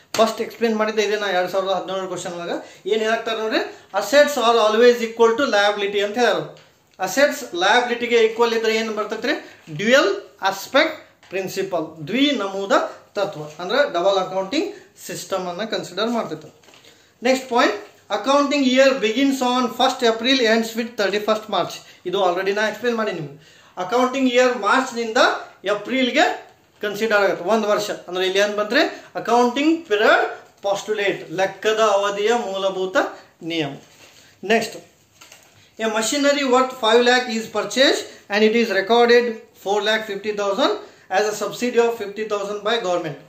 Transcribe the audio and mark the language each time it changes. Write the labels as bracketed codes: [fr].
[kn] First explain ಮಾಡಿದ್ದೆ ಇದೆ ನಾ 2017 ಕ್ವಶನ್ ಒಳಗೆ. ಏನು ಹೇಳ್ತಾರೆ ನೋಡ್ರಿ, [en] assets are always equal to liability [kn] ಅಂತ ಹೇಳೋದು. ಅಸೆಟ್ಸ್ ಲಯಬಿಲಿಟಿಗೆ ಈಕ್ವಲ್ ಇದ್ರೆ ಏನು ಬರ್ತೈತ್ರಿ, ಡ್ಯುಯಲ್ ಆಸ್ಪೆಕ್ಟ್ ಪ್ರಿನ್ಸಿಪಲ್, ದ್ವಿ ನಮೂದ ತತ್ವ. ಅಂದ್ರೆ ಡಬಲ್ ಅಕೌಂಟಿಂಗ್ ಸಿಸ್ಟಮ್ ಅನ್ನು ಕನ್ಸಿಡರ್ ಮಾಡ್ತಿತ್ತು. Next point, [en] Accounting year begins on 1st April ends with 31st March. [kn] ಇದು ಆಲ್ರೆಡಿ ನಾ ಎಕ್ಸ್ಪ್ಲೇನ್ ಮಾಡೀನಿ. ಅಕೌಂಟಿಂಗ್ ಇಯರ್ ಮಾರ್ಚ್ ನಿಂದ ಏಪ್ರಿಲ್ಗೆ ಕನ್ಸಿಡರ್ ಆಗುತ್ತೆ, ಒಂದು ವರ್ಷ. ಅಂದ್ರೆ ಇಲ್ಲಿ ಏನ್ ಬಂದ್ರೆ ಅಕೌಂಟಿಂಗ್ ಪಿರಿಯಡ್ ಪೋಸ್ಟುಲೇಟ್, ಲೆಕ್ಕದ ಅವಧಿಯ ಮೂಲಭೂತ ನಿಯಮ. [en] Next, a machinery worth 5 lakh is purchase and it is recorded 4,50,000 as a subsidy of 50,000 by government.